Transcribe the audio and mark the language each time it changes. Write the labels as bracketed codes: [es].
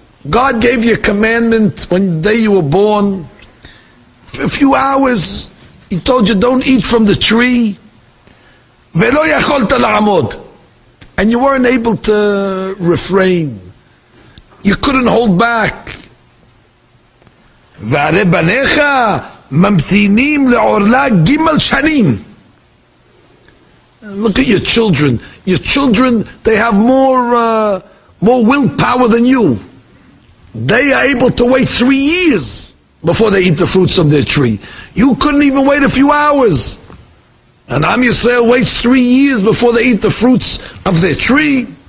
[en] God gave you a commandment when the day you were born. For a few hours, He told you don't eat from the tree. [he] Ve'lo yacholta la'amod. [en] And you weren't able to refrain. You couldn't hold back. [he] V'are banecha ממתינים לעורלה גימל שנים. [en] Look at your children. Your children, they have more willpower than you. They are able to wait 3 years before they eat the fruits of their tree. You couldn't even wait a few hours. And Am Yisrael waits 3 years before they eat the fruits of their tree.